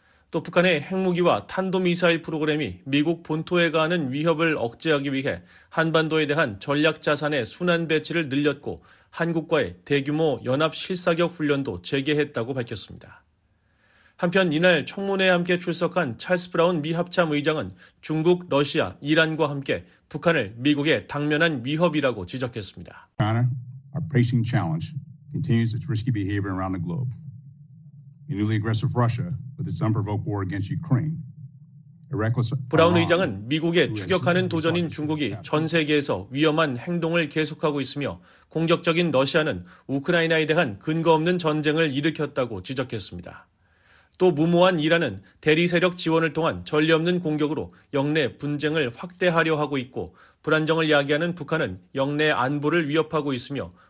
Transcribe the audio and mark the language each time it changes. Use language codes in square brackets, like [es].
[ko] 또 북한의 핵무기와 탄도미사일 프로그램이 미국 본토에 가하는 위협을 억제하기 위해 한반도에 대한 전략 자산의 순환 배치를 늘렸고 한국과의 대규모 연합 실사격 훈련도 재개했다고 밝혔습니다. 한편 이날 청문회에 함께 출석한 찰스 브라운 미 합참의장은 중국, 러시아, 이란과 함께 북한을 미국의 당면한 위협이라고 지적했습니다. [en] China, our pacing challenge, continues its risky behavior around the globe. A newly aggressive Russia, with its unprovoked war against Ukraine. [ko] 브라운 의장은 미국의 추격하는 도전인 중국이 전 세계에서 위험한 행동을 계속하고 있으며 공격적인 러시아는 우크라이나에 대한 근거 없는 전쟁을 일으켰다고 지적했습니다. 또 무모한 이란은 대리 세력 지원을 통한 전례 없는 공격으로 영내 분쟁을 확대하려 하고 있고 불안정을 야기하는 북한은 영내 안보를 위협하고 있으며